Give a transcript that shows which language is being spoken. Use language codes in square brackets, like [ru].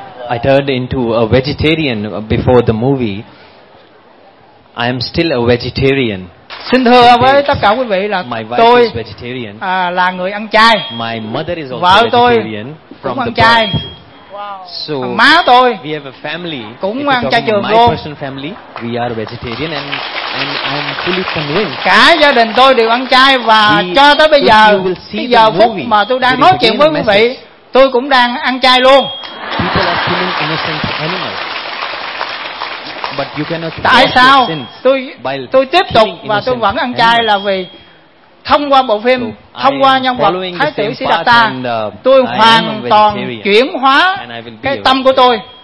[en] I turned into a vegetarian before the movie. I am still a vegetarian. [vi] Xin thưa với tất cả quý vị là tôi là người ăn chay. [en] My mother is also [vi] vợ tôi cũng ăn chay. [en] So [vi] má tôi [en] we have a family [vi] cũng ăn chay trường luôn. [en] Family, we are vegetarian and I'm fully convinced. [vi] Cả gia đình tôi đều ăn chay và cho tới bây giờ cái giờ phút mà tôi đang nói chuyện với quý vị, tôi cũng đang ăn chay luôn. [en] But you cannot. [vi] Tại sao tôi tiếp tục và tôi vẫn ăn chay là vì thông qua bộ phim, thông qua nhân vật Thái tử Siddhartha, tôi hoàn toàn chuyển hóa cái tâm của tôi.